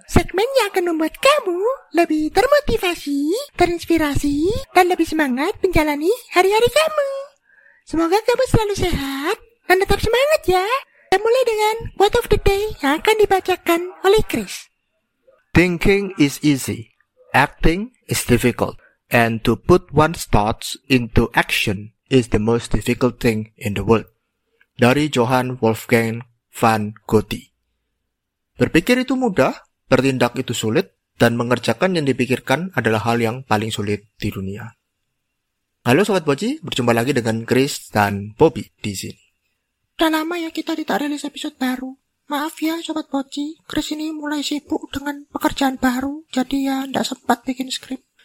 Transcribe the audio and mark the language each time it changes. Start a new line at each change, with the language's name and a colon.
Indonesian: Segmen yang akan membuat kamu lebih termotivasi, terinspirasi, dan lebih semangat menjalani hari-hari kamu. Semoga kamu selalu sehat dan tetap semangat ya. Kita mulai dengan What of the Day yang akan dibacakan oleh Chris.
English: Thinking is easy, acting is difficult, and to put one's thoughts into action is the most difficult thing in the world.
Indonesian: Dari Johann Wolfgang van Goethe. Berpikir itu mudah, bertindak itu sulit, dan mengerjakan yang dipikirkan adalah hal yang paling sulit di dunia. Halo Sobat Boci, berjumpa lagi dengan Chris dan Bobby di sini. Sudah lama ya kita tidak rilis episode baru. Maaf ya Sobat Boci, Chris ini mulai sibuk dengan pekerjaan baru, jadi ya tidak sempat bikin skrip.